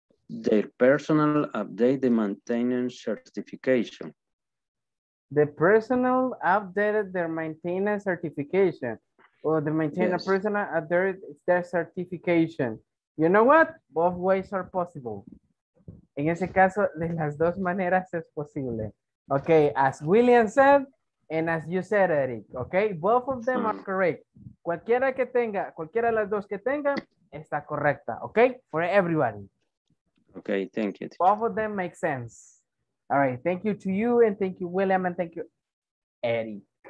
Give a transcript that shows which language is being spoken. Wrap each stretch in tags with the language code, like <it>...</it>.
<en>Their personal update the maintenance certification. The personal updated their maintenance certification. Or the maintainer yes. Personal updated their certification. You know what? Both ways are possible.</en> <es>En ese caso, de las dos maneras es posible.</es> <en>Okay, as William said, and as you said, Eric, okay? Both of them are correct.</en> <es>Cualquiera que tenga, cualquiera de las dos que tenga, está correcta, okay?</es> <en>For everybody. Okay, thank you. Both of them make sense. All right, thank you to you, and thank you, William, and thank you, Eric.</en>